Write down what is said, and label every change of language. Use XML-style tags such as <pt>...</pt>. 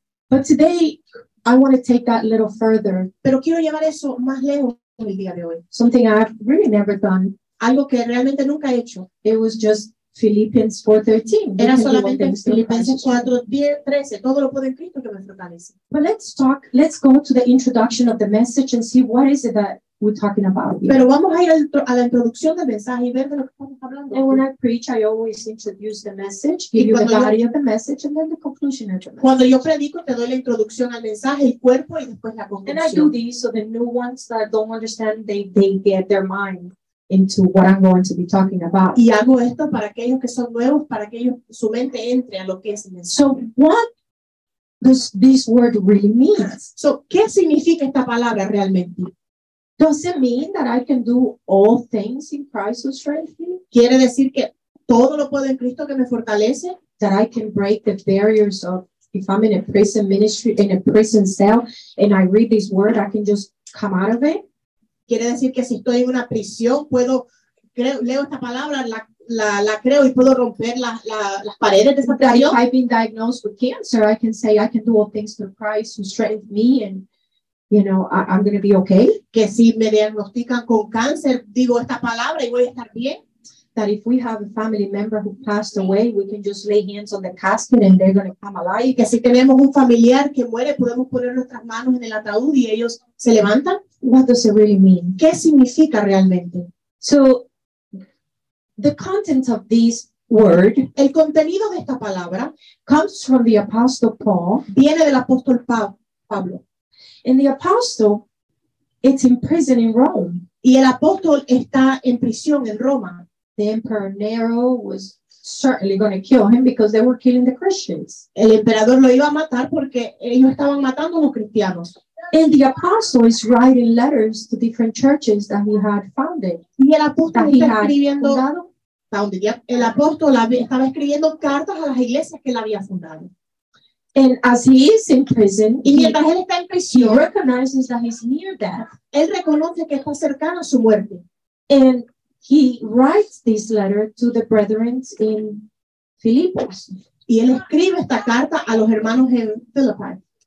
<en>But today, I want to take that a little further.</en> <es>Pero quiero llevar eso más lejos el día de hoy.</es> <en>Something I've really never done.</en> <es>Algo que realmente nunca he hecho.</es> <en>It was just Philippians 4:13.</en> <es>Era solamente Filipenses 4:13. Todo lo puedo en Cristo que me fortalece.</es> <en>But let's go to the introduction of the message and see what is it that we're talking about. Here.</en> <es>Pero vamos a ir a la introducción del mensaje y ver de lo que estamos hablando.</es> <en>And when I preach, I always introduce the message, give you the body of the message, and then the conclusion of the message.</en> <es>Cuando yo predico, te doy la introducción al mensaje, el cuerpo, y después la conclusión.</es> <en>And I do this so the new ones that don't understand, they get their mind into what I'm going to be talking about.</en> <es>Y hago esto para aquellos que son nuevos, para que ellos, su mente entre a lo que es el mensaje.</es> <en>So what does this word really mean?</en> <es>So ¿qué significa esta palabra realmente?</es> <en>Does it mean that I can do all things in Christ who strengthens me?</en> <es>¿Quiere decir que todo lo puedo en Cristo que me fortalece?</es> <en>That I can break the barriers of, if I'm in a prison ministry, in a prison cell, and I read this word, I can just come out of it?</en> <es>Quiere decir que si estoy en una prisión, puedo, creo, leo esta palabra, la creo y puedo romper las paredes de esa prisión.</es> <en>If I've been diagnosed with cancer, I can say I can do all things through Christ who strengthens me, and you know, I'm going to be okay.</en> <es>Que si me diagnostican con cáncer, digo esta palabra y voy a estar bien.</es> <en>That if we have a family member who passed away, we can just lay hands on the casket and they're going to come alive.</en> <es>Y que si tenemos un familiar que muere, podemos poner nuestras manos en el ataúd y ellos se levantan.</es> <en>What does it really mean?</en> <es>¿Qué significa realmente?</es> <en>So, the content of this word,</en> <es>el contenido de esta palabra,</es> <en>comes from the Apostle Paul.</en> <es>Viene del apóstol Pablo.</es> <en>And the apostle, it's in prison in Rome.</en> <es>Y el apóstol está en prisión en Roma.</es> <en>The emperor Nero was certainly going to kill him because they were killing the Christians.</en> <es>El emperador lo iba a matar porque ellos estaban matando a los cristianos.</es> <en>And the apostle is writing letters to different churches that he had founded.</en> <es>Y el apóstol está escribiendo. El apóstol estaba escribiendo cartas a las iglesias que él había fundado.</es> <en>And as he is in prison,</en> <es>y mientras él está en prisión,</es> <en>he recognizes that he's near death.</en> <es>Él reconoce que está cercano a su muerte.</es> <en>And he writes this letter to the brethren in Philippians.</en> <es>Y él escribe esta carta a los hermanos en Filipos.</es>